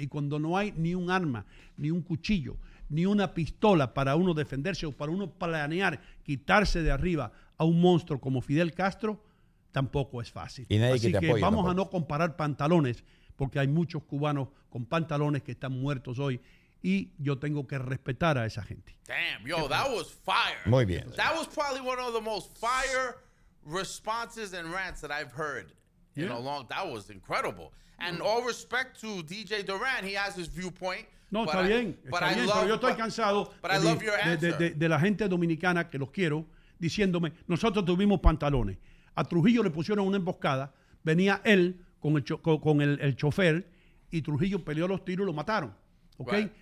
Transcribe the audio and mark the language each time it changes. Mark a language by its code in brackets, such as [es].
[es] Y cuando no hay ni un arma, ni un cuchillo, ni una pistola para uno defenderse o para uno planear quitarse de arriba a un monstruo como Fidel Castro, tampoco es fácil. Y nadie que te apoye, vamos tampoco a no comparar pantalones, porque hay muchos cubanos con pantalones que están muertos hoy y yo tengo que respetar a esa gente. [en] Damn, yo, that was fire. [es] Muy bien. [en] That was probably one of the most fire responses and rants that I've heard in a long time. That was incredible. And all respect to DJ Duran, he has his viewpoint. [es] No, está bien, está bien, pero yo estoy cansado de la gente dominicana, que los quiero, diciéndome, nosotros tuvimos pantalones. A Trujillo le pusieron una emboscada, venía él con el chofer y Trujillo peleó los tiros y lo mataron. ¿Okay? Right.